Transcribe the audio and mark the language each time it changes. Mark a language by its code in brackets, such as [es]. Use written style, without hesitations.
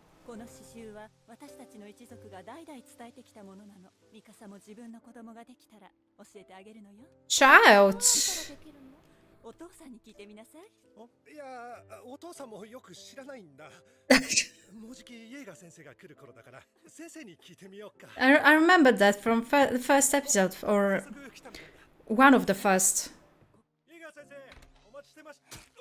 [ja] この刺繍は私たちの一族が代々伝えてきたものなの。ミカサも自分の子供ができたら教えてあげるのよ。 [en] Child! [ja] お父さんに聞いてみなさい。いや、お父さんもよく知らないんだ。もうじきイエガ先生が来る頃だから、先生に聞いてみようか。 [en] I remember that from the first episode, or one of the first. [ja] イエガ先生、お待ちしてました。